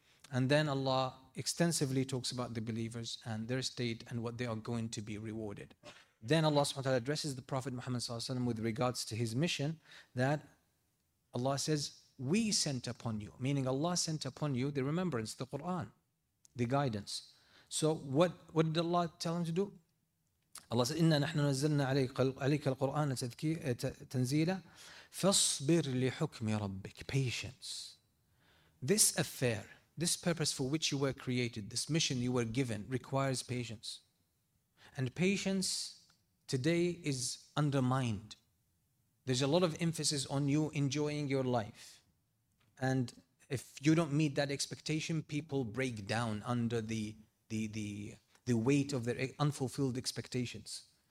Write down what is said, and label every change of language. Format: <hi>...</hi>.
<en>And then Allah extensively talks about the believers and their state and what they are going to be rewarded. Then Allah subhanahu wa ta'ala addresses the Prophet Muhammad sallallahu alaihi wasallam with regards to his mission, that Allah says, we sent upon you, meaning Allah sent upon you the remembrance, the Quran, the guidance. So what did Allah tell him to do? Allah said,</en> <ar>إِنَّا نَحْنُ نَزَّلْنَا عَلَيْكَ الْقُرْآنَ تَنْزِيلًا فَاصْبِرْ لِحُكْمِ رَبِّكَ.</ar> <en>Patience. This affair, this purpose for which you were created, this mission you were given, requires patience. And patience today is undermined. There's a lot of emphasis on you enjoying your life. And if you don't meet that expectation, people break down under the weight of their unfulfilled expectations.</en>